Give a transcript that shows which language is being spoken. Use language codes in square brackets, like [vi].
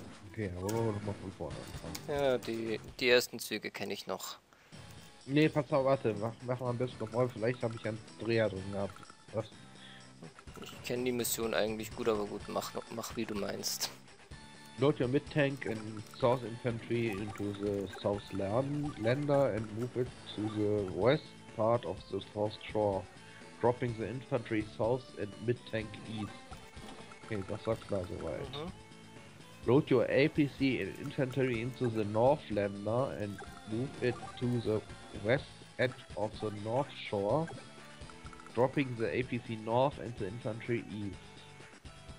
[de] Okay, aber wollen wir nochmal von vorne anfangen. Ja, die ersten Züge kenne ich noch. Nee, pass auf, warte, mach mal am besten nochmal, vielleicht habe ich einen Dreher drin gehabt. Was? Ich kenne die Mission eigentlich gut, aber gut, mach wie du meinst. [en] Load your mid-tank and south infantry into the south lander and move it to the west part of the south shore, dropping the infantry south and mid-tank east. [de] Okay, das sagt klar soweit. [en] Load your APC and infantry into the north lander and move it to the west end of the north shore, dropping the APC north and the infantry east.